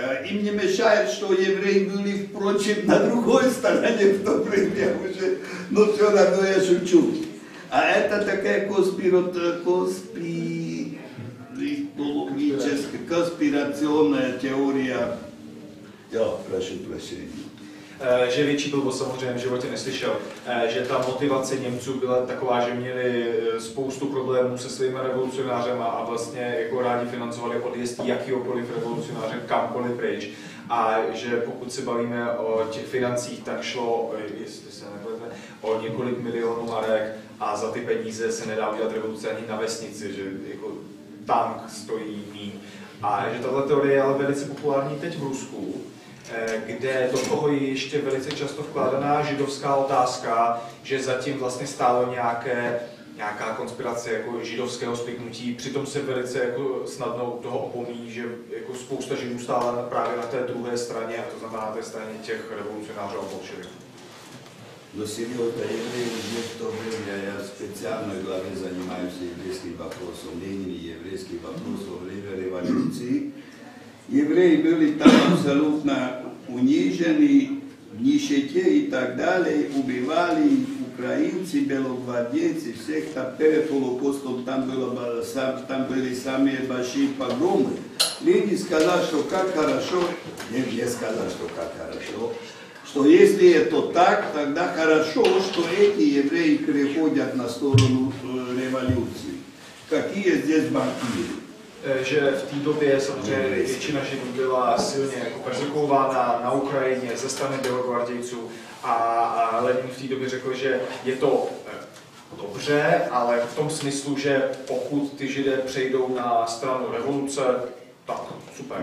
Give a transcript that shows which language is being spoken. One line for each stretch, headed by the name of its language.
Russian: Им не мешает, что евреи были, впрочем, на другой стороне, в то время уже. Но все равно я шучу. А это такая конспирационная теория. Я прошу прощения.
Czech: Že větší byl, samozřejmě v životě neslyšel, že ta motivace Němců byla taková, že měli spoustu problémů se svými revolucionářema a vlastně jako rádi financovali odjezd jakýhokoliv revolucionáře kamkoliv pryč. A že pokud se bavíme o těch financích, tak šlo, jestli se nepletete, o několik milionů marek a za ty peníze se nedá udělat revoluce ani na vesnici, že jako tank stojí míň. A že tato teorie je ale velice populární teď v Rusku, kde do toho je ještě velice často vkládaná židovská otázka, že zatím vlastně stálo nějaká konspirace jako židovského spiknutí, přitom se velice jako snadno toho opomíjí, že jako spousta židů stála právě na té druhé straně, a to znamená na té straně těch revolucionářů a bolševiků.
Russian: Но сегодня евреи, в то время я в специальной главе занимаюсь еврейским вопросом, Ленин и еврейским вопросом во время революции. Евреи были там абсолютно унижены, в нищете и так далее, убивали украинцы, белогвардейцы, всех там, перед Холокостом, там были самые большие погромы. Ленин сказал, что как хорошо, не сказал, что как хорошо, что если это так, тогда хорошо, что эти евреи переходят на сторону революции. Какие здесь банкиры?
Czech: Že v té době samozřejmě většina židů byla silně jako perzekována na Ukrajině ze strany bělogvardějců a Lenin v té době řekl, že je to dobře, ale v tom smyslu, že pokud ty židé přejdou na stranu revoluce, tak super.